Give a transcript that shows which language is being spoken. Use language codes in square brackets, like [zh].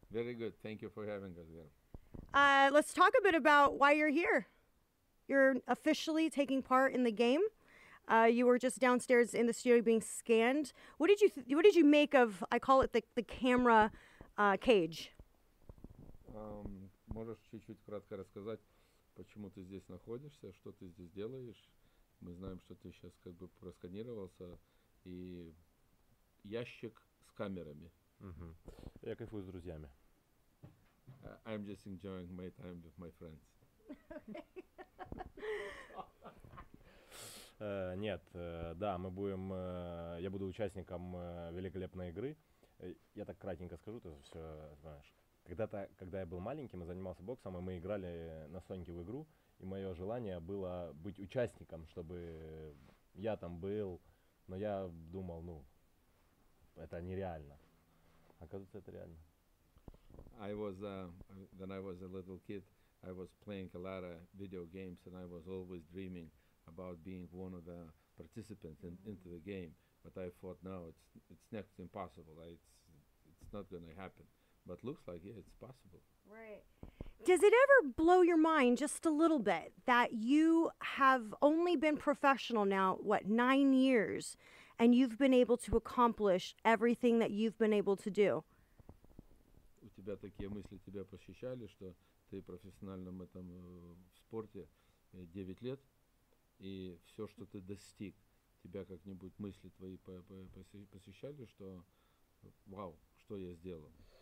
[en] Very good. Thank you for having us here. Let's talk a bit about why you're here. You're officially taking part in the game. You were just downstairs in the studio being scanned. What did you make of, I call it the camera cage? [ru] Можешь чуть-чуть кратко рассказать, почему ты здесь находишься, что ты здесь делаешь? Мы знаем, что ты сейчас как бы просканировался, и ящик с камерами. Mm-hmm. Я кайфую с друзьями. [en] I'm just enjoying my time with my friends. [ru] Я буду участником великолепной игры. Я так кратенько скажу, ты все знаешь. Когда-то, когда я был маленьким и занимался боксом, и мы играли на Соньке в игру, и мое желание было быть участником, чтобы я там был, но я думал, ну, это нереально. Оказывается, это реально. [en] When I was a little kid, I was playing a lot of video games, and I was always dreaming about being one of the participants into the game. But I thought, no, it's next impossible. It's not going to happen. But looks like, yeah, it's possible. Right. Does it ever blow your mind just a little bit that you have only been professional now, 9 years, and you've been able to accomplish everything that you've been able to do? [ru] У тебя такие мысли тебя посещали, что ты профессиональном этом в спорте 9 лет, и все, что ты достиг, тебя как-нибудь мысли твои посещали, что вау, что я сделал?